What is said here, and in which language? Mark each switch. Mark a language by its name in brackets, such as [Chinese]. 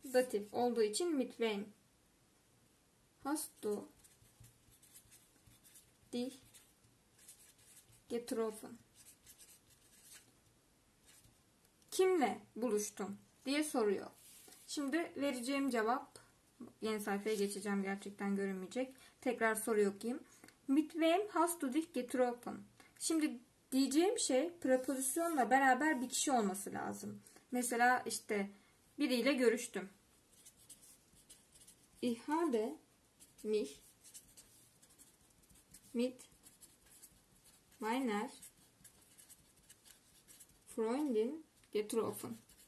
[Turkish] Datif olduğu için midway. [German] Hast du dich getroffen? [Turkish] Kimle buluştun diye soruyor. Şimdi vereceğim cevap, yeni sayfaya geçeceğim, gerçekten görünmeyecek. Tekrar soru okuyayım. [German] Mit wem hast du dich getroffen? [Turkish] Şimdi diyeceğim şey prepozisyonla beraber bir kişi olması lazım. Mesela işte biriyle görüştüm. [German] Ich habe mich mit meiner Freundin getroffen.